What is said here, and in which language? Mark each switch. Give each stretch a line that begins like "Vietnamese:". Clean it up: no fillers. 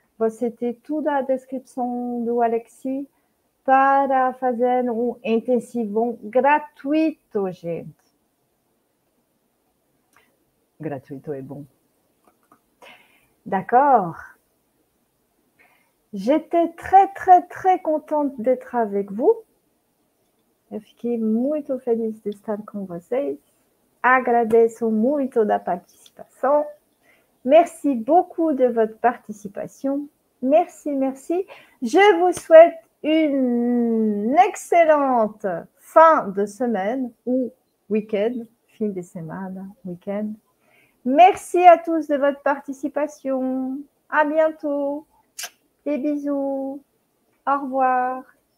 French: C'était tout dans la description de Alexis pour faire un intensif gratuit, gente. Gratuit est bon. D'accord. J'étais très, très, très contente d'être avec vous.
Portuguese: Eu fiquei muito feliz de estar com vocês. Agradeço muito da participação.
French: Merci beaucoup de votre participation. Merci, merci. Je vous souhaite une excellente fin de semaine ou week-end, fin de semana, week-end. Merci à tous de votre participation. À bientôt. Des bisous. Au revoir.